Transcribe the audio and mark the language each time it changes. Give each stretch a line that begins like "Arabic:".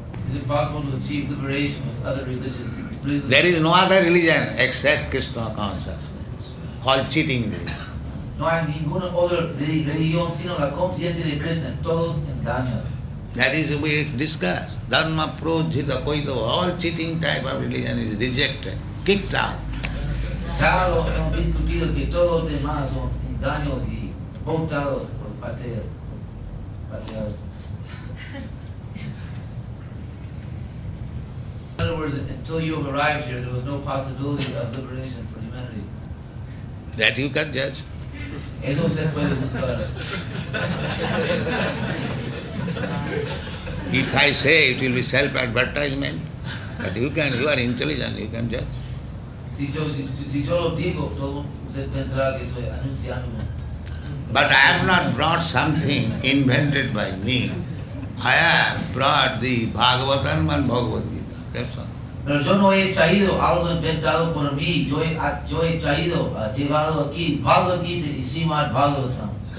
English: Is it possible to achieve liberation with other religious reasons? There is no other religion except Krishna consciousness. All cheating religion.
Spanish: No hay ninguna other religión sino la conciencia de Krishna. Todos engañan.
English: That is we discuss. Dharma, Prajita, Koito, all cheating type of religion is rejected, kicked out.
Spanish: Claro, hemos discutido que todos los demás son engaños y votados por pateados.
English: In other words, until you have arrived here, there was no possibility of liberation for humanity. That you can judge.
Spanish: Eso se puede buscar.
English: If I say it will be self-advertisement, but you are intelligent, you can judge.
Spanish: Si yo lo digo, usted pensará que estoy anunciando.
English: But I have not brought something invented by me. I have brought the Bhagavatam and Bhagavad Gita.
Spanish: Pero yo no he traído algo inventado por mí. Yo he traído, llevado aquí Bhagavad Gita y Srimad Bhagavatam.